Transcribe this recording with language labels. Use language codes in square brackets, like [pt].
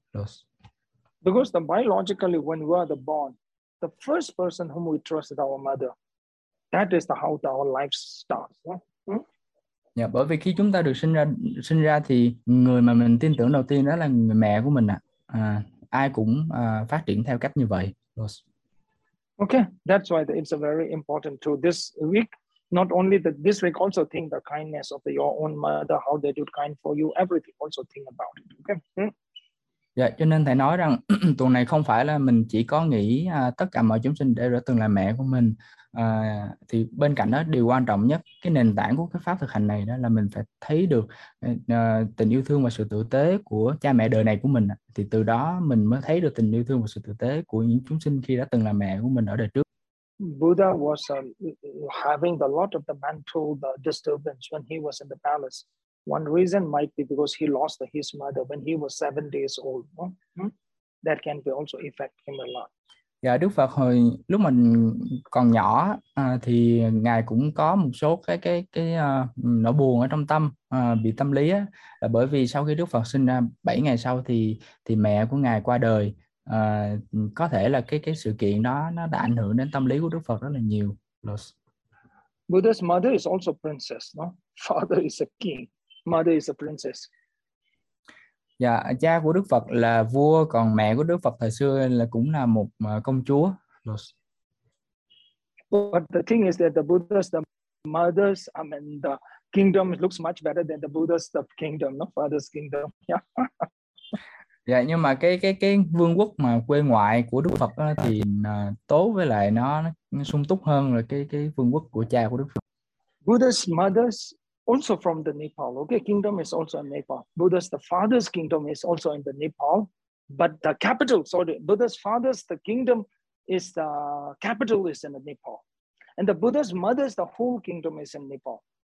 [en] Los. Because the biologically when we are born, the first person whom we trust is our mother. That is how our life starts. [vi] Yeah, bởi vì khi chúng ta được sinh ra thì người mà mình tin tưởng đầu tiên đó là người mẹ của mình ạ. Ai cũng phát triển theo cách như vậy. Los. [en] Okay, that's why it's a very important to this week. Not only that, this week also think the kindness of your own mother, how they did kind for you, everything also think about it. Okay. [vi] Dạ, cho nên thầy nói rằng tuần này không phải là mình chỉ có nghĩ tất cả mọi chúng sinh đều đã từng là mẹ của mình. Thì bên cạnh đó điều quan trọng nhất, cái nền tảng của cái pháp thực hành này đó là mình phải thấy được tình yêu thương và sự tử tế của cha mẹ đời này của mình. Thì từ đó mình mới thấy được tình yêu thương và sự tử tế của những chúng sinh khi đã từng là mẹ của mình ở đời trước. [en] Buddha was having a lot of the mental disturbance when he was in the palace. One reason might be because he lost his mother when he was 7 days old. That can be also affect him a lot. [vi] Dạ, Đức Phật hồi lúc mình còn nhỏ thì ngài cũng có một số cái nỗi buồn ở trong tâm, bị tâm lý á, bởi vì sau khi Đức Phật sinh ra 7 ngày sau thì mẹ của ngài qua đời. Có thể là cái sự kiện đó nó đã ảnh hưởng đến tâm lý của Đức Phật rất là nhiều. Los. [en] Buddha's mother is also princess, no? Father is a king. Mother is a princess. [vi] Dạ, cha của Đức Phật là vua, còn mẹ của Đức Phật thời xưa là cũng là một công chúa. [en] But the thing is that the Buddha's the mother's, I mean, the kingdom looks much better than the Buddha's the kingdom, not father's kingdom. Yeah. [vi] Dạ, nhưng mà cái vương quốc mà quê ngoại của Đức Phật á, thì tốt, với lại nó sung túc hơn là cái vương quốc của cha của Đức Phật. [en] Buddha's mother's also from the Nepal. Okay, kingdom is also in Nepal. Buddha's the father's kingdom is also in the Nepal, but the capital, sorry, Buddha's father's the kingdom is the capital is in the Nepal, and the Buddha's mother's the whole kingdom is in Nepal.